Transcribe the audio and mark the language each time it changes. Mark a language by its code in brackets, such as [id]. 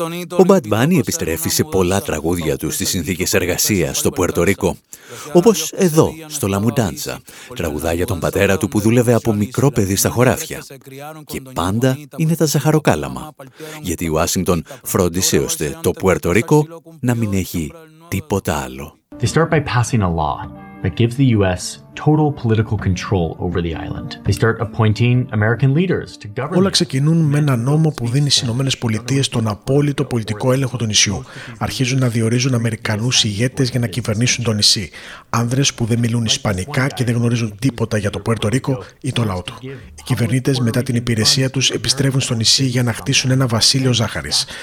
[el] Ο Bad Bunny επιστρέφει σε πολλά τραγούδια του στις συνθήκες εργασίας στο Πουέρτο Ρίκο. Όπως εδώ, στο La Mudanza, τραγουδά για τον πατέρα του που δούλευε από μικρό παιδί στα χωράφια. Και πάντα είναι τα ζαχαροκάλαμα. Γιατί ο Ουάσιγκτον φρόντισε ώστε το Πουέρτο Ρίκο να μην έχει τίποτα άλλο. [en] They start by passing a law that gives the U.S. total political control over the island. They start appointing American leaders to govern. [el] Όλα ξεκινούν με ένα νόμο που δίνει στις Ηνωμένες Πολιτείες τον απόλυτο πολιτικό έλεγχο του νησιού. Αρχίζουν να διορίζουν Αμερικανούς ηγέτες για να κυβερνήσουν το νησί. Άνδρες που δεν μιλούν Ισπανικά και δεν γνωρίζουν τίποτα για το Πουέρτο Ρίκο ή το λαό του. Οι κυβερνήτες μετά την υπηρεσία τους επιστρέφουν στο νησί για να χτίσουν ένα βασίλειο ζάχαρης.